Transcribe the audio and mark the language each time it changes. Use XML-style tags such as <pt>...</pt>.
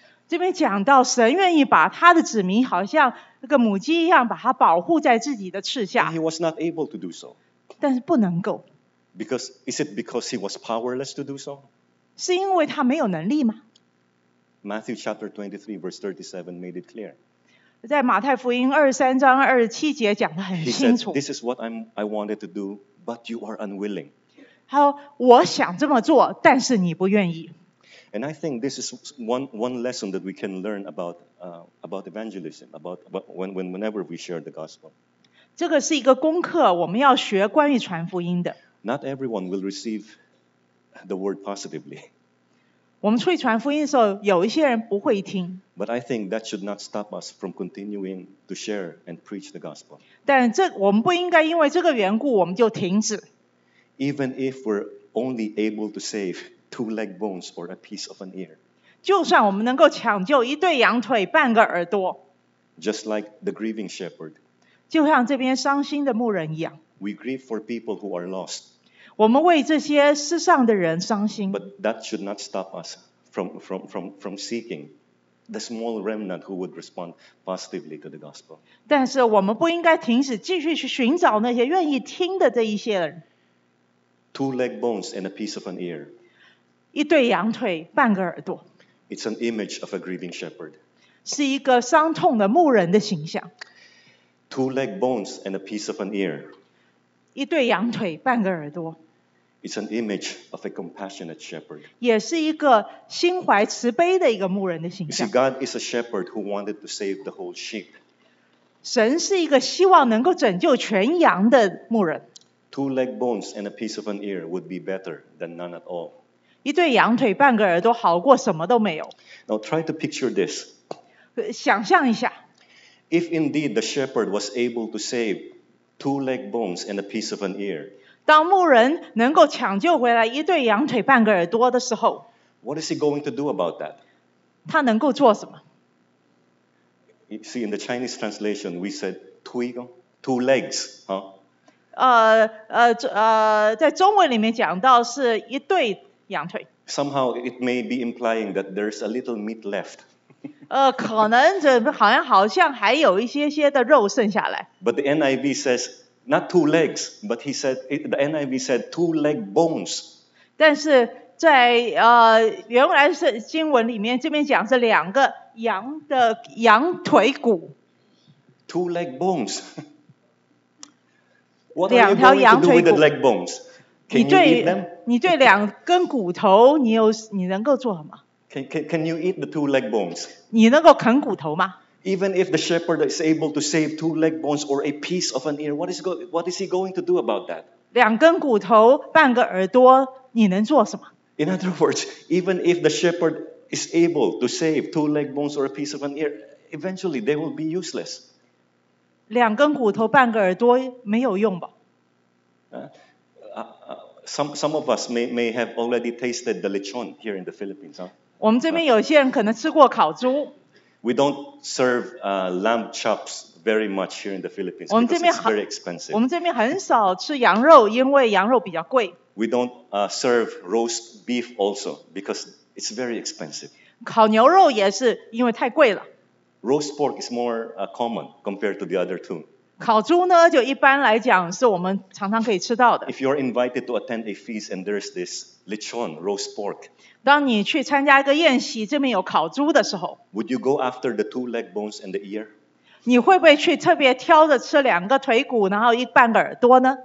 <zh>这边讲到神愿意把他的子民，好像那个母鸡一样，把它保护在自己的翅下。</zh> <en>He was not able to do so.</en> <zh>但是不能够。</zh> <en>Is it because he was powerless to do so?</en> <zh>是因为他没有能力吗？</zh> <en>Matthew chapter 23 verse 37 made it clear.</en> <zh>在马太福音23章27节讲得很清楚。</zh> <en>He said, this is what I wanted to do, but you are unwilling.</en> <zh>他说，我想这么做，但是你不愿意。</zh> <en>And I think this is one lesson that we can learn about evangelism, whenever we share the gospel.</en> <zh>这个是一个功课，我们要学关于传福音的。</zh> <en>Not everyone will receive... The word positively.</en> <zh>我们出去传福音的时候，有一些人不会听。</zh> <en>But I think that should not stop us from continuing to share and preach the gospel.</en> <zh>但这我们不应该因为这个缘故我们就停止。</zh> <en>Even if we're only able to save two leg bones or a piece of an ear.</en> <zh>就算我们能够抢救一对羊腿半个耳朵。</zh> <en>Just like the grieving shepherd.</en> <zh>就像这边伤心的牧人一样。</zh> <en>We grieve for people who are lost.</en> <zh>我们为这些世上的人伤心。</zh> <en>But that should not stop us from seeking the small remnant who would respond positively to the gospel.</en> <zh>但是我们不应该停止继续去寻找那些愿意听的这一些人。</zh> <en>Two leg bones and a piece of an ear.</en> <zh>一对羊腿半个耳朵。</zh> <en>It's an image of a grieving shepherd.</en> <zh>是一个伤痛的牧人的形象。</zh> <en>Two leg bones and a piece of an ear.</en> <zh>一对羊腿半个耳朵。</zh> <en>It's an image of a compassionate shepherd.</en> <zh>也是一个心怀慈悲的一个牧人的形象。</zh> <en>You see, God is a shepherd who wanted to save the whole sheep.</en> <zh>神是一个希望能够拯救全羊的牧人。</zh> <en>Two leg bones and a piece of an ear would be better than none at all.</en> <zh>一对羊腿半个耳朵好过什么都没有。</zh> <en>Now try to picture this.</en> <zh>想象一下。</zh> <en>If indeed the shepherd was able to save,Two leg bones and a piece of an ear.</en> <zh>当牧人能够抢救回来一对羊腿半个耳朵的时候，</zh> <en>What is he going to do about that?</en> <zh>他能够做什么？</zh> <en>You see, in the Chinese translation, we said two legs, huh?</en> <zh>在中文里面讲到是一对羊腿。</zh> <en>Somehow it may be implying that there's a little meat left.</en> <zh>可能这好像还有一些些的肉剩下来。</zh> <en>But the NIV says not two legs, but he said the NIV said two leg bones.</en> <zh>但是在原来是经文里面这边讲是两个羊的羊腿骨。</zh> <en>Two leg bones. What are you going to do with the leg bones? Can you eat them?</en> <zh>你对两根骨头，你能够做什么？</zh> <en>Can you eat the two leg bones?</en> <zh>你能够啃骨头吗？</zh> <en>Even if the shepherd is able to save two leg bones or a piece of an ear, what is he going to do about that?</en> <zh>两根骨头，半个耳朵，你能做什么？</zh> <en>In other words, even if the shepherd is able to save two leg bones or a piece of an ear, eventually they will be useless.</en> <zh>两根骨头半个耳朵没有用吧。</zh> <en>Some of us may have already tasted the lechon here in the Philippines.、Huh?</en> <zh>我们这边有些人可能吃过烤猪。</zh> <en>We don't serve、lamb chops very much here in the Philippines.</en> <zh>我们这边</zh> <en>very expensive.</en> <zh>我们这边很少吃羊肉，因为羊肉比较贵。</zh> <en>We don't、serve roast beef also because it's very expensive.</en> <zh>烤牛肉也是因为太贵了。</zh> <en>Roast pork is more、common compared to the other two.</en> <zh>烤猪呢，就一般来讲是我们常常可以吃到的。</zh> <en>If you are invited to attend a feast and there's this lechon roast pork,</en> <zh>当你去参加一个宴席，这边有烤猪的时候</zh> <en>，Would you go after the two leg bones and the ear?</en> <zh>你会不会去特别挑着吃两个腿骨，然后一半个耳朵呢</zh>